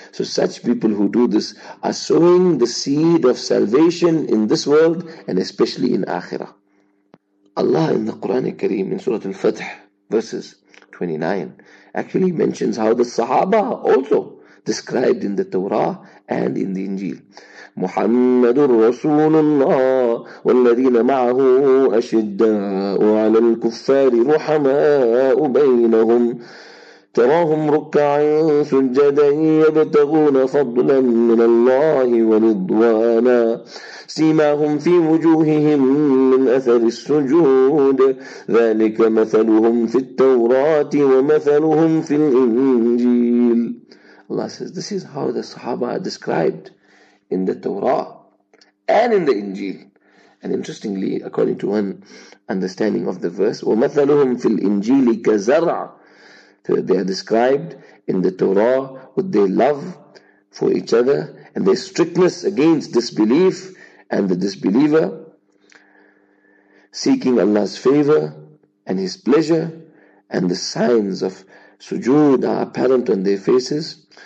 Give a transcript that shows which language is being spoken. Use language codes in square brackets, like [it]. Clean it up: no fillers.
[en] So such people who do this are sowing the seed of salvation in this world and especially in Akhirah. Allah in the Quran al-Kareem in Surah Al-Fath, verses 29, actually mentions how the Sahaba also described in the Torah and in the Injil. [ar] Muhammadur Rasulullah والذين معه أشداء على الكفار رحماء بينهم تراهم ركعا سجدا يبتغون فضلا من الله ورضوانا سيماهم في وجوههم من أثر السجود ذلك مثلهم في التوراة ومثلهم في الإنجيل. [en] Allah says, this is how the Sahaba are described in the Torah and in the Injil. And interestingly, according to one understanding of the verse, [ar] ومثلهم في الإنجيل كزرع. [en] They are described in the Torah with their love for each other and their strictness against disbelief and the disbeliever, seeking Allah's favor and His pleasure, and the signs of sujood are apparent on their faces.